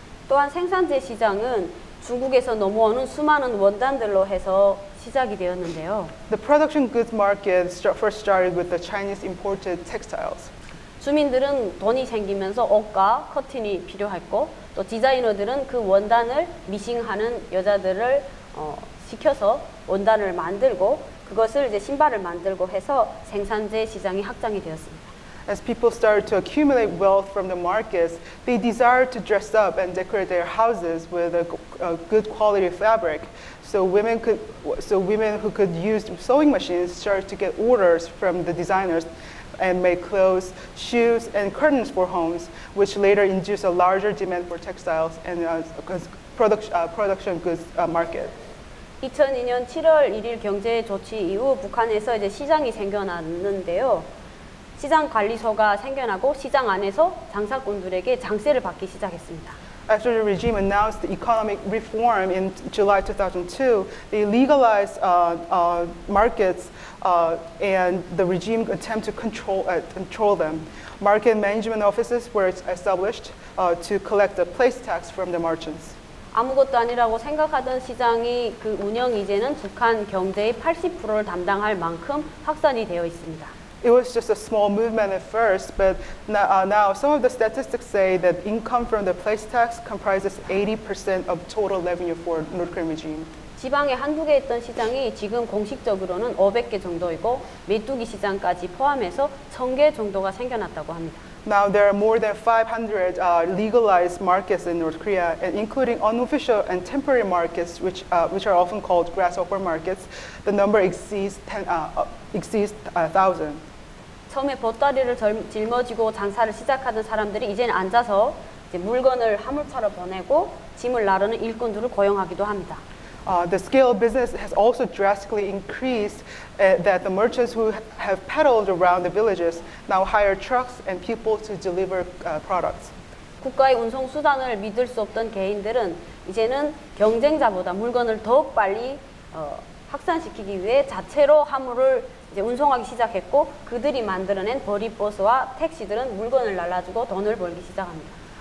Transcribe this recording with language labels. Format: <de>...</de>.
<ko>또한 생산재 시장은 중국에서 넘어오는 수많은 원단들로 해서 시작이 되었는데요.</ko> <en>The production goods market first started with the Chinese imported textiles.</en> <ko>주민들은 돈이 생기면서 옷과 커튼이 필요했고 또 디자이너들은 그 원단을 미싱하는 여자들을 시켜서 원단을 만들고 그것을 이제 신발을 만들고 해서 생산재 시장이 확장이 되었습니다.</ko> <en>As people started to accumulate wealth from the markets, they desired to dress up and decorate their houses with a good quality fabric. So women who could use sewing machines started to get orders from the designers and make clothes, shoes, and curtains for homes, which later induced a larger demand for textiles and production goods market.</en> <ko>2002년 7월 1일 경제 조치 이후 북한에서 이제 시장이 생겨났는데요. 시장 관리소가 생겨나고 시장 안에서 장사꾼들에게 장세를 받기 시작했습니다.</ko> <en>After the regime announced the economic reform in July 2002, they legalized markets and the regime attempted to control them. Market management offices were established to collect the place tax from the merchants.</en> <ko>아무것도 아니라고 생각하던 시장이 그 운영 이제는 북한 경제의 80%를 담당할 만큼 확산이 되어 있습니다.</ko> <en>It was just a small movement at first, but now some of the statistics say that income from the place tax comprises 80% of total revenue for North Korean regime.</en> <ko>지방에 한두 개 있던 시장이 지금 공식적으로는 500개 정도이고 메뚜기 시장까지 포함해서 1,000개 정도가 생겨났다고 합니다.</ko> <en>Now there are more than 500 legalized markets in North Korea, and including unofficial and temporary markets, which are often called grasshopper markets. The number exceeds 1,000.</en> <ko>처음에 보따리를 짊어지고 장사를 시작하던 사람들이 이제는 앉아서 이제 물건을 화물차로 보내고 짐을 나르는 일꾼들을 고용하기도 합니다.</ko> <en>The scale of business has also drastically increased that the merchants who have peddled around the villages now hire trucks and people to deliver products.</en> <ko>국가의 운송 수단을 믿을 수 없던 개인들은 이제는 경쟁자보다 물건을 더욱 빨리 확산시키기 위해 자체로 화물을 이제 운송하기 시작했고 그들이 만들어낸 버리버스와 택시들은 물건을 날라주고 돈을 벌기 시작합니다.</ko>